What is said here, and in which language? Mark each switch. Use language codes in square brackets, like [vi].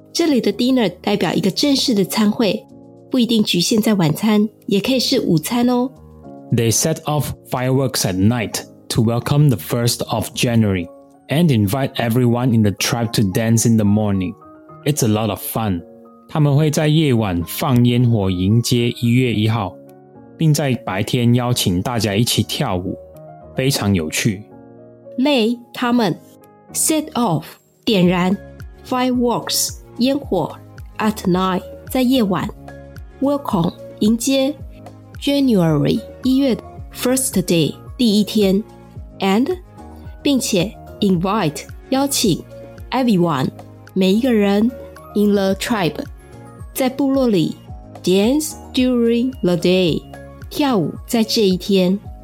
[zh] 这里的 dinner 代表一个正式的餐会，不一定局限在晚餐，也可以是午餐哦。 [en] They set off fireworks at night to welcome the 1st of January and invite everyone in the tribe to dance in the morning. It's a lot of fun. [zh] 他们会在夜晚放烟火迎接1月1号，并在白天邀请大家一起跳舞，非常有趣。 [en] They, [zh] 他们 [en] set off, [zh] 点燃 [en] fireworks, [zh] 烟火 [en] at night, [zh] 在夜晚 [en] welcome, [zh] 迎接 [en] January, [zh] 一月 [en] first day, [zh] 第一天 [en] and, [zh] 并且 [en] invite, [zh] 邀请 [en] everyone, [zh] 每一个人 [en] in the tribe, [zh] 在部落里 [en] dance during the day, [zh] 跳舞在这一天